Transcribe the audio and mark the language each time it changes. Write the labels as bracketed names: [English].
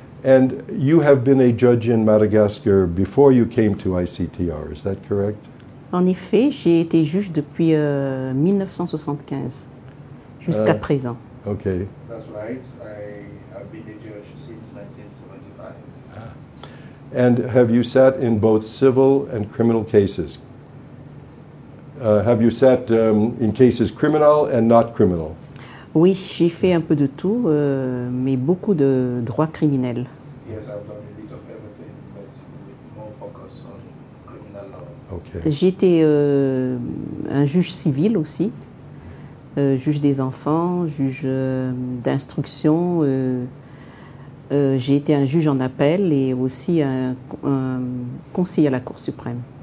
[English] And you have been a judge in Madagascar before you came to ICTR, is that correct? [French] En effet, j'ai été juge depuis 1975, jusqu'à présent. [English] Okay. That's right. I have been a judge since 1975. Ah. And have you sat in both civil and criminal cases? Have you sat in cases criminal and not criminal? [French] Oui, j'ai fait un peu de tout, mais beaucoup de droit criminel. [English] Yes, I've done a bit of everything, but with more focus on criminal law. Okay. [French] J'ai été un juge civil aussi, juge des enfants, juge d'instruction. J'ai été un juge en appel et aussi un conseiller à la Cour suprême.